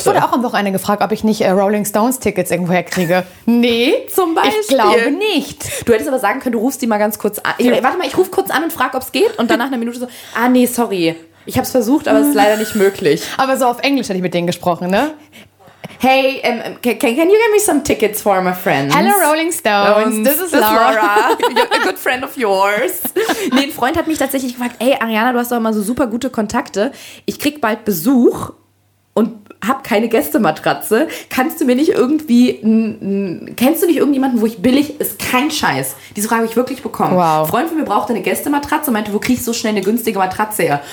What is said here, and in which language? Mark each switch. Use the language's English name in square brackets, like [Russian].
[German] Ich wurde auch am Wochenende gefragt, ob ich nicht Rolling Stones Tickets irgendwo herkriege. Nee, zum Beispiel. Ich glaube nicht. Du hättest aber sagen können, du rufst die mal ganz kurz an. Warte mal, ich rufe kurz an und frage, ob es geht. Und danach eine Minute so, nee, sorry. Ich habe es versucht, aber es ist leider nicht möglich. Aber so auf Englisch hätte ich mit denen gesprochen, ne? [English] Hey, can you give me some tickets for my friends? Hello, Rolling Stones. This is Laura. You're a good friend of yours. [German] Nee, ein Freund hat mich tatsächlich gefragt, hey, Ariana, du hast doch immer so super gute Kontakte. Ich krieg bald Besuch und hab keine Gästematratze. Kennst du nicht irgendjemanden, wo ich billig... Ist kein Scheiß. Diese Frage habe ich wirklich bekommen. Wow. Freund von mir brauchte eine Gästematratze und meinte, wo kriegst du so schnell eine günstige Matratze her?